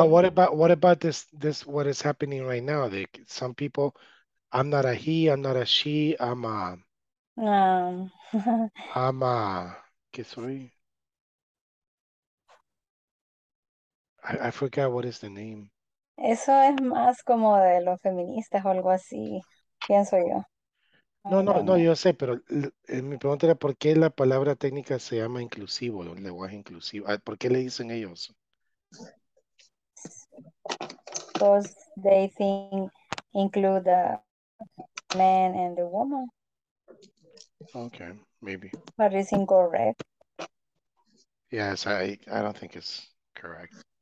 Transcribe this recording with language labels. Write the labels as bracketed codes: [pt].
[en] what about this what is happening right now? Like some people, I'm not a he, I'm not a she, I'm a [es] que soy? [en] I forgot what is the name. [es] Eso es más como de los feministas o algo así, pienso yo. No, [en] I don't [es] no, [en] know. [es] yo sé, pero mi pregunta era ¿por qué la palabra técnica se llama inclusivo, el lenguaje inclusivo? ¿Por qué le dicen ellos? [en] Because they think include the man and the woman. Okay, maybe. But it's incorrect. Yes, I don't think it's correct.